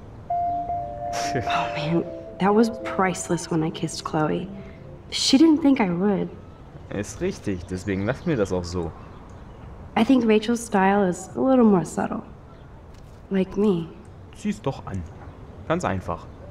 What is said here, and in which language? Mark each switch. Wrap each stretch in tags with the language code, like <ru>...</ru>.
<en>Oh man, that was priceless when I kissed Chloe. She didn't think I would.</en> <de>Ist richtig, deswegen lacht mir das auch so.</de> <en>I think Rachel's style is a little more subtle. Like me.</en> <de>Zieh's doch an. Ganz einfach.</de>